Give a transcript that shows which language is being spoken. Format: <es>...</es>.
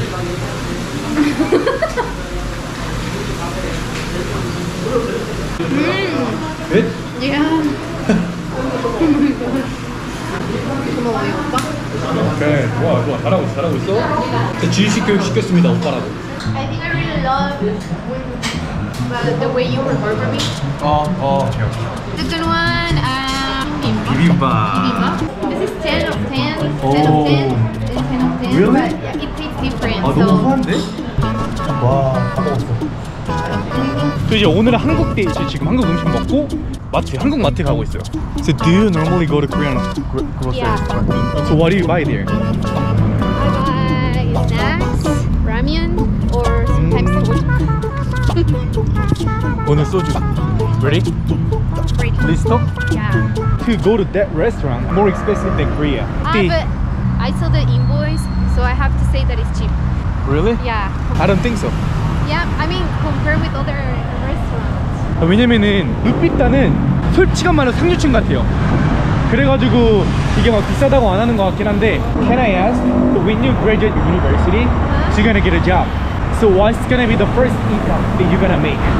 <en>Mmm! Good? Yeah! Oh my god! Okay,</en> <ko>좋아, 좋아. 잘하고 있어? 제 지식 교육 시켰습니다, 오빠라고.</ko> <en>I think I really love the way you remember me.</en> <ko>어, 어, 제가.</ko> <en>The good one, bibimbap. Bibimbap? This is 10 of 10. 10 of 10. It's 10 of 10. Really? But it tastes different.</en> <ko>아, 너무 좋아한데? 와, 다 먹었어. 저 이제 오늘은 한국 데이지 지금 한국 음식 먹고 마트 한국 마트 가고 있어요.</ko> <en>So do you normally go to Korean grocery? Yeah. So what do you buy there? I buy snacks, ramen, or sometimes soju.</en> <ko>오늘 소주.</ko> <en>Ready? List? Yeah. To go to that restaurant more expensive than Korea. But I saw the invoice, so I have to say that it's cheap. Really? Yeah. I don't think so. Yeah, I mean compare with other.</en> <ko>왜냐면은 루피타는 솔직한 말로 상류층 같아요. 그래가지고 이게 막 비싸다고 안 하는 것 같긴 한데.</ko> <en>Can I ask, when you graduate university, you're gonna get a job. So what's gonna be the first income that you're gonna make?</en>